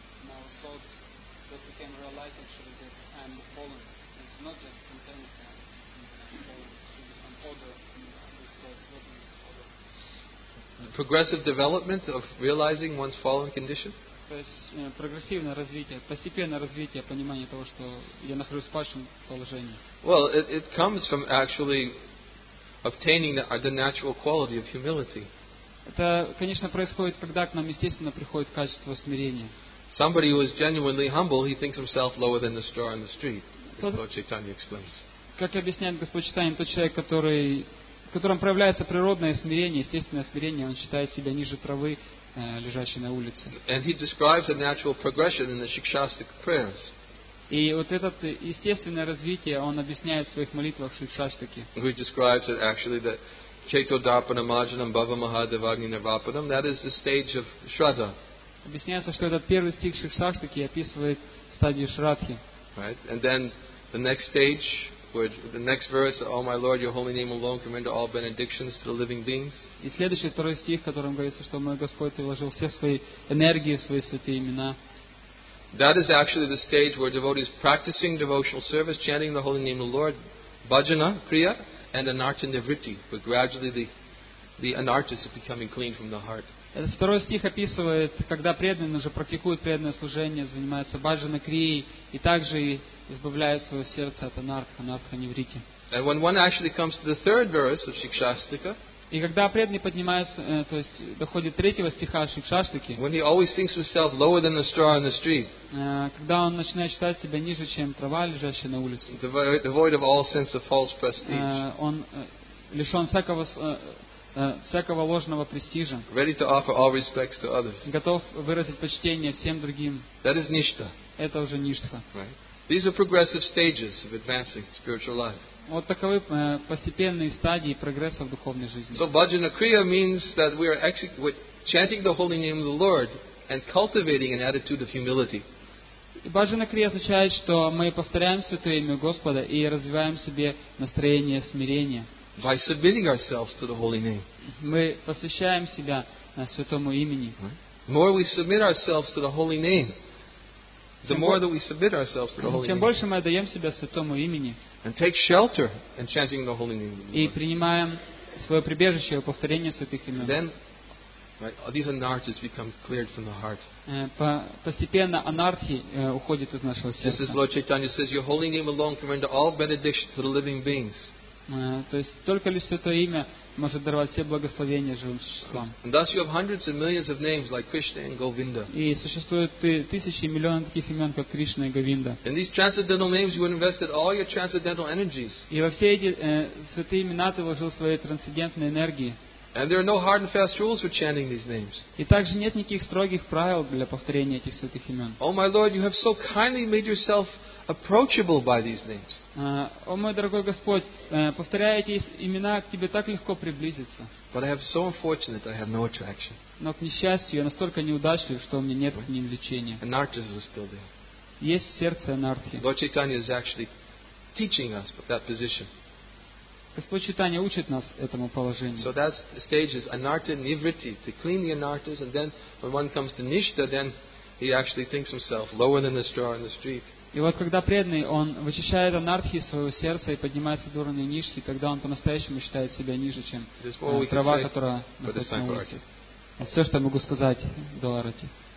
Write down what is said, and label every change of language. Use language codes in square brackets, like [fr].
[en] more thoughts, that we can realize actually that I'm fallen. It's not just contains that some order in this thought, not in this order. The progressive development of realizing one's fallen condition? [ru] То есть прогрессивное развитие, постепенное развитие понимания того, что я нахожусь в падшем положении. [en] Well, it comes from actually obtaining the natural quality of humility. [ru] Это, конечно, происходит, когда к нам естественно приходит качество смирения. [en] Somebody who is genuinely humble, he thinks himself lower than the straw in the street, as Lord Chaitanya explains. [ru] Как объясняет Господь Чайтанья, тот человек, в котором проявляется природное смирение, естественное смирение, он считает себя ниже травы, лежащий на улице. [en] And he describes the natural progression in the shikshastic prayers. [ru] И вот это естественное развитие он объясняет в своих молитвах в шикшаштике. [en] He describes it actually that [sa] Chaito Dharpana Marjanam Bhava Mahadevagni Nirvapanam, [en] that is the stage of Shraddha. [ru] Объясняется, что этот первый стих шикшаштики описывает стадию Шраддхи. [en] Right? And then the next stage, the next verse, O my Lord, your holy name alone commend all benedictions to the living beings. [ru] И следующий второй стих, в котором говорится, что мой Господь, ты вложил все свои энергии, свои святые имена. [en] That is actually the stage where devotees practicing devotional service, chanting the holy name of the Lord, bhajana, kriya, and anarta nivritti. But gradually the anartas are becoming clean from the heart. [ru] Этот второй стих описывает, когда преданный уже практикует преданное служение, занимается баджана крией, и также избавляет свое сердце от анартха нивритти. [en] And when one actually comes to the third verse of Shikshastika, [ru] и когда преданный поднимается, то есть доходит третьего стиха Шикшаштики, [en] when he always thinks himself lower than the straw on the street, [ru] когда он начинает считать себя ниже, чем трава, лежащая на улице, [en] devoid of all sense of false prestige, [ru] он лишен всякого ложного престижа, [en] ready to offer all respects to others, [ru] готов выразить почтение всем другим, [en] that is ништха. [ru] Это уже ништха. [en] Right? These are progressive stages of advancing spiritual life. [ru] Вот таковы постепенные стадии прогресса в духовной жизни. [en] So bhajana kriya means that we are chanting the holy name of the Lord and cultivating an attitude of humility. [ru] Bhajana kriya означает, что мы повторяем святое имя Господа и развиваем в себе настроение смирения. [en] By submitting ourselves to the holy name. [ru] Мы посвящаем себя святому имени. [en] The more we submit ourselves to the holy name, the more that we submit ourselves to the holy name. [ru] Чем больше мы отдаем себя святому имени, [en] and take shelter in chanting the holy name. [ru] И принимаем своё прибежище в повторении святых имён. [en] Then these anarthas become cleared from the heart. [ru] Постепенно анартхи уходит из нашего сердца. [en] This is Lord Chaitanya says, your holy name alone can render all benediction to the living beings. [ru] То есть только лишь святое имя может даровать все благословения живым существам. [en] And thus you have hundreds and millions of names like Krishna and Govinda. [ru] И существуют тысячи и миллионы таких имен, как Кришна и Говинда. [en] In these transcendental names you have invested all your transcendental energies. [ru] И во все эти святые имена ты вложил свои трансцендентные энергии. [en] And there are no hard and fast rules for chanting these names. [ru] И также нет никаких строгих правил для повторения этих святых имен. [en] Oh my Lord, you have so kindly made yourself approachable by these names. [ru] О мой дорогой Господь, повторяя эти имена, к тебе так легко приблизиться. [en] But I have so unfortunate that I have no attraction. [ru] Но к несчастью, я настолько неудачлив, что у меня нет к ним влечения. [en] Anarthas are still there. [ru] Есть сердце анархии. [en] Lord Chaitanya is actually teaching us that position. [ru] Господь Чайтанья учит нас этому положению. [en] So that stage is anartha nivritti, to clean the anarthas, and then when one comes to nishta, then he actually thinks himself lower than the straw in the street. [ru] И вот когда преданный, он вычищает анартхи из своего сердца и поднимается до уровня нишки, тогда он по-настоящему считает себя ниже, чем трава, которая находится на улице. Это все, что я могу сказать до арати.